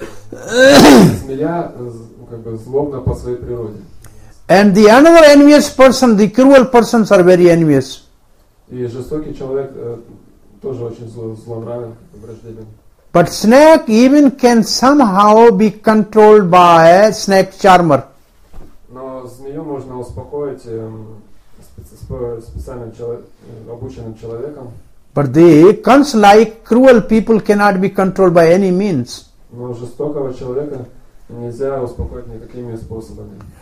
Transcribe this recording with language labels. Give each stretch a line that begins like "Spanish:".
Russian: Змея как бы злобна по своей природе.
English: And the another envious person, the cruel persons are very envious.
Russian: И жестокий человек тоже очень злонравен, враждебен.
English: But snake even can somehow be controlled by snake charmer.
Russian: Но змею можно успокоить специально обученным человеком.
English: But the cunts like cruel people cannot be controlled by any means.
Russian: Но жестокого человека нельзя успокоить никакими способами.